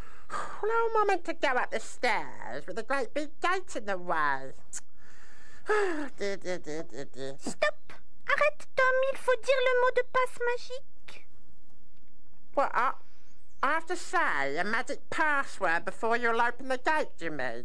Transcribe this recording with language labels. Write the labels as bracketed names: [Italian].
[English] Well, how am I meant to go up the stairs with a great big goat in the way? Stop! [French] Arrête, Tom, il faut dire le mot de passe magique. [English] What? I have to say a magic password before you'll open the gate, do you mean?